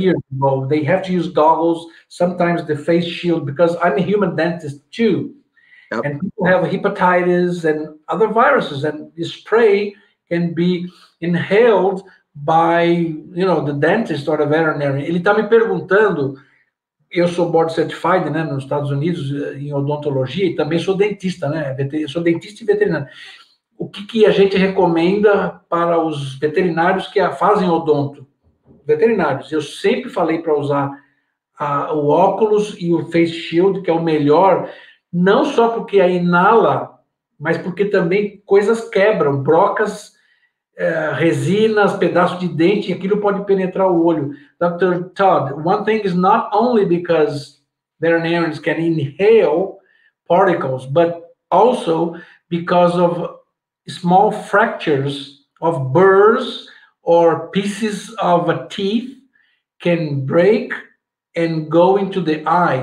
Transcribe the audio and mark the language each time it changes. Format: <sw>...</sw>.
<en>years ago, they have to use goggles, sometimes the face shield, because I'm a human dentist too. Yep. And people have hepatitis and other viruses, and the spray can be inhaled by, you know, the dentist or the veterinarian.</en> <pt>Ele está me perguntando, eu sou board certified, né, nos Estados Unidos, em odontologia, e também sou dentista, né, sou dentista e veterinário. O que, que a gente recomenda para os veterinários que fazem odonto? Veterinários, eu sempre falei para usar o óculos e o face shield, que é o melhor, não só porque a inala, mas porque também coisas quebram, brocas, resinas, pedaços de dente, aquilo pode penetrar o olho.</pt> <en>Dr. Todd, one thing is not only because veterinarians can inhale particles, but also because of small fractures of burrs or pieces of a teeth can break and go into the eye.</en>